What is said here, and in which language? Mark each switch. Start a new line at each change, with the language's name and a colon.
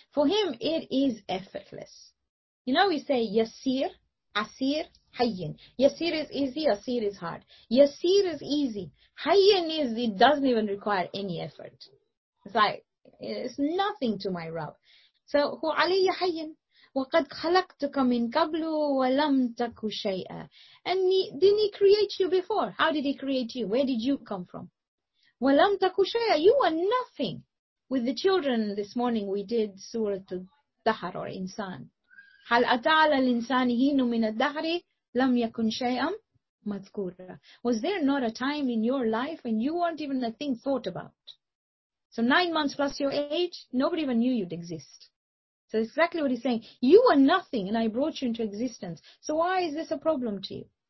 English: For him, it is effortless. You know, we say yasir, asir, hayyin. Yasir is easy, asir is hard. Yasir is easy. Hayyin is, it doesn't even require any effort. It's like, it's nothing to my Rabb.
Arabic: So, هو علي حين وقد خلقتك من قبل ولم تك شيئا.
English: And didn't he create you before? How did he create you? Where did you come from?
Arabic: ولم تك شيئا.
English: You were nothing. With the children this morning, we did Surah Dahr or Insan.
Arabic: هل أتى على الإنسان حين من الدهر لم يكن شيئا مذكورا.
English: Was there not a time in your life when you weren't even a thing thought about? So 9 months plus your age, nobody even knew you'd exist. So exactly what he's saying. You are nothing and I brought you into existence. So why is this a problem to you?